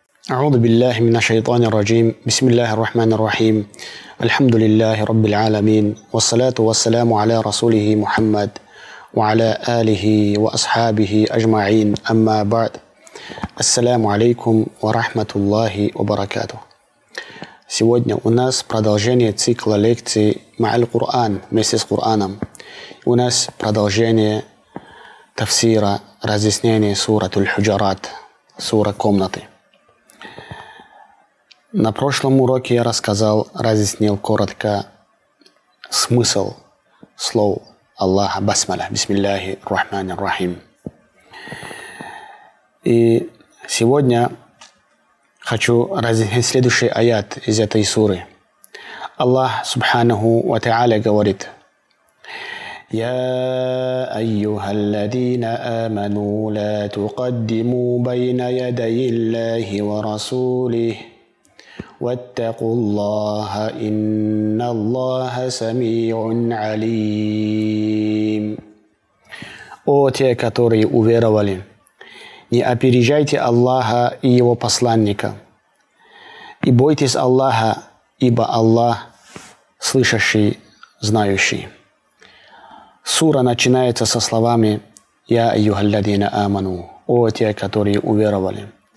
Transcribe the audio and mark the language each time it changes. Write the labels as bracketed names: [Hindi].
[Arabic] أعوذ بالله من الشيطان الرجيم. بسم الله الرحمن الرحيم. الحمد لله رب العالمين، والصلاة والسلام على رسوله محمد وعلى آله وأصحابه أجمعين، أما بعد. السلام عليكم ورحمة الله وبركاته. [Russian] Сегодня у нас продолжение цикла лекций «Маал Куран» вместе с Кураном. У нас продолжение тафсира, разъяснение сура Туль-Худжарат, сура комнаты. На прошлом уроке я рассказал, разъяснил коротко смысл слов Аллаха Басмала, Бисмиллахи Рахмани Рахим. И сегодня хочу разъяснить следующий аят из этой суры. Аллах Субханаху ва Тааля говорит: [Arabic] يا أيها الذين آمنوا لا تقدموا بين يدي الله ورسوله واتقوا الله إن الله سميع عليم. [Russian] О те, которые уверовали, не опережайте Аллаха и Его посланника, и бойтесь Аллаха, ибо Аллах слышащий, знающий. Сура начинается со словами [Arabic] «Я айюхалладина аману» [Russian] – «О те, которые уверовали».